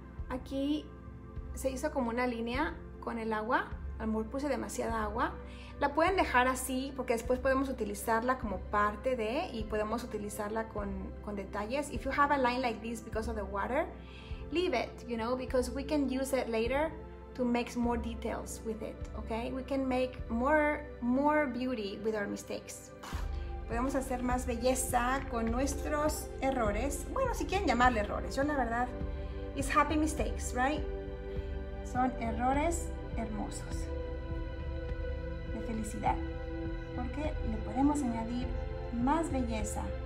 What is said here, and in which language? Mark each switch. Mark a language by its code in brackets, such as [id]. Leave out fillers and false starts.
[es] Aquí se hizo como una línea con el agua. A lo mejor puse demasiada agua. La pueden dejar así porque después podemos utilizarla como parte de y podemos utilizarla con detalles. [en] If you have a line like this because of the water, leave it, you know, because we can use it later to make more details with it, okay? We can make more beauty with our mistakes. [es] Podemos hacer más belleza con nuestros errores. Bueno, si quieren llamarle errores, yo la verdad... [en] It's happy mistakes, right? [es] Son errores hermosos. De felicidad. Porque le podemos añadir más belleza.